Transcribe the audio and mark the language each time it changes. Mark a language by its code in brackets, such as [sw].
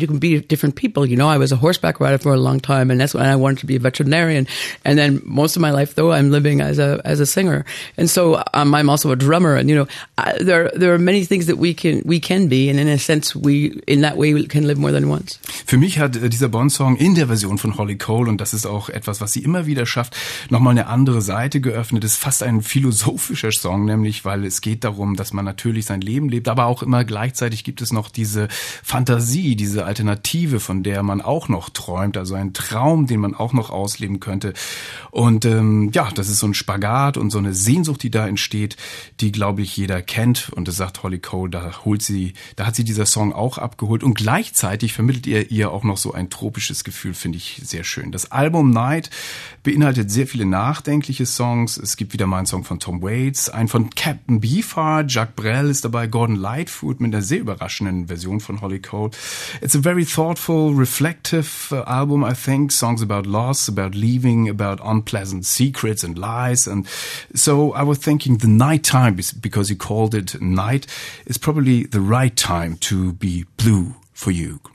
[en] You can be different people. You know, I was a horseback rider for a long time, and that's when I wanted to be a veterinarian. And then most of my life, though, I'm living as a singer. And so I'm also a drummer. And you know, there are many things that we can be. And in a sense, we can live more than once. [de] Für mich hat dieser Bond-Song in der Version von Holly Cole, und das ist auch etwas, was sie immer wieder schafft, nochmal eine andere Seite geöffnet. Es ist fast ein philosophischer Song, nämlich, weil es geht darum, dass man natürlich sein Leben lebt, aber auch immer gleichzeitig gibt es noch diese Fantasie, diese Alternative, von der man auch noch träumt, also ein Traum, den man auch noch ausleben könnte. Und ja, das ist so ein Spagat und so eine Sehnsucht, die da entsteht, die, glaube ich, jeder kennt. Und das sagt Holly Cole, da hat sie dieser Song auch abgeholt. Und gleichzeitig vermittelt ihr auch noch so ein tropisches Gefühl, finde ich sehr schön. Das Album Night beinhaltet sehr viele nachdenkliche Songs. Es gibt wieder mal einen Song von Tom Waits, einen von Captain Beefheart, Jacques Brel ist dabei, Gordon Lightfoot mit einer sehr überraschenden Version von Holly Cole. [en] It's a very thoughtful, reflective album, I think. Songs about loss, about leaving, about unpleasant secrets and lies. And so I was thinking the night time, because you called it night, is probably the right time to be blue for you.